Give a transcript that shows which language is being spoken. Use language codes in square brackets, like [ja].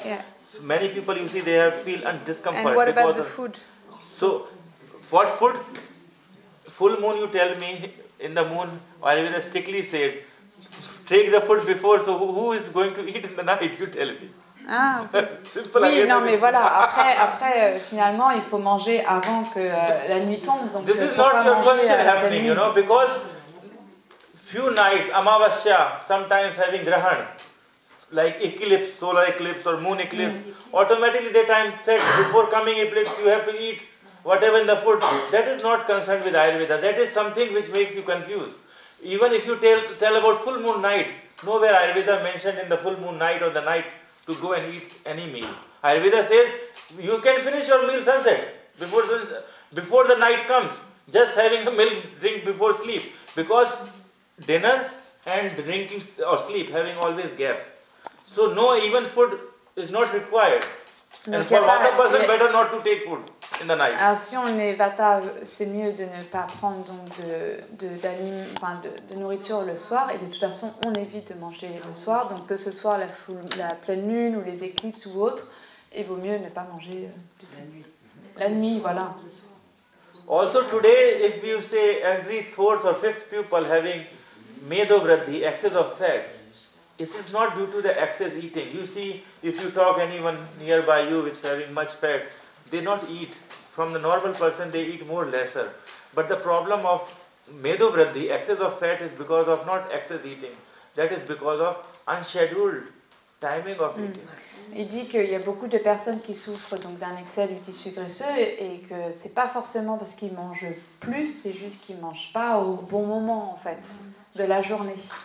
[en] Yeah. So many people you see they feel discomfort. And what about the food? So, what food? Full moon, you tell me, in the moon, Ayurveda strictly said, take the food before, so who is going to eat in the night, you tell me. Ah, okay. Simple. [fr] Oui, non, mais voilà, après finalement, il faut manger avant que la nuit tombe. Donc, [en] this is not the question happening, you know, because few nights, Amavasya, sometimes having Grahan, like eclipse, solar eclipse or moon eclipse, automatically the time set before coming eclipse, you have to eat whatever in the food. That is not concerned with Ayurveda. That is something which makes you confused. Even if you tell about full moon night, nowhere Ayurveda mentioned in the full moon night or the night to go and eat any meal. Ayurveda says, you can finish your meal sunset before the night comes. Just having a milk drink before sleep. Because dinner and drinking or sleep having always gap. So no, even food is not required. Donc and for Vata person, better not to take food in the night. [fr] Alors si on est Vata, c'est mieux de ne pas prendre donc de nourriture le soir. Et de toute façon, on évite de manger le soir. Donc que ce soit la pleine lune ou les éclipses ou autre, il vaut mieux ne pas manger la nuit, voilà. [en] Also today, if you say every fourth or fifth people having medo vriddhi, excess of fat, it is not due to the excess eating. You see, if you talk anyone nearby you which is having much fat, they not eat. From the normal person, they eat more lesser. But the problem of medo vriddhi, excess of fat, is because of not excess eating. That is because of unscheduled timing of eating. [fr] Il dit qu'il y a beaucoup de personnes qui souffrent donc d'un excès du tissu graisseux et que c'est pas forcément parce qu'ils mangent plus, c'est juste qu'ils mangent pas au bon moment en fait de la journée.